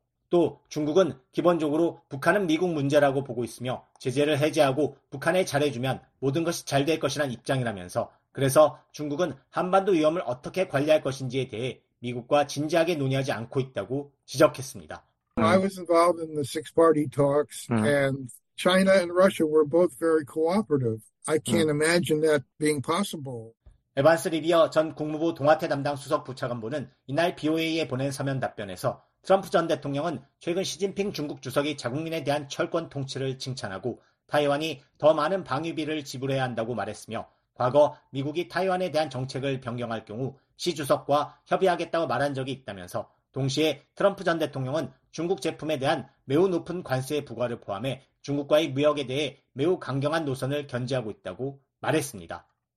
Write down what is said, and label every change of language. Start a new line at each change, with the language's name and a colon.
Korean: 또 중국은 기본적으로 북한은 미국 문제라고 보고 있으며 제재를 해제하고 북한에 잘해주면 모든 것이 잘될 것이란 입장이라면서 그래서 중국은 한반도 위험을 어떻게 관리할 것인지에 대해 미국과 진지하게 논의하지 않고 있다고 지적했습니다.
English: I was involved in the six-party talks and China and Russia were both very cooperative. I can't imagine that being possible.
Korean: 에반스 리비어 전 국무부 동아태 담당 수석 부차관보는 이날 BOA에 보낸 서면 답변에서 트럼프 전 대통령은 최근 시진핑 중국 주석이 자국민에 대한 철권 통치를 칭찬하고 타이완이 더 많은 방위비를 지불해야 한다고 말했으며 과거 미국이 타이완에 대한 정책을 변경할 경우 시 주석과 협의하겠다고 말한 적이 있다면서 동시에 트럼프 전 대통령은 중국 제품에 대한 매우 높은 관세 부과를 포함해 중국과의 무역에 대해 매우 강경한 노선을 견지하고 있다고 말했습니다.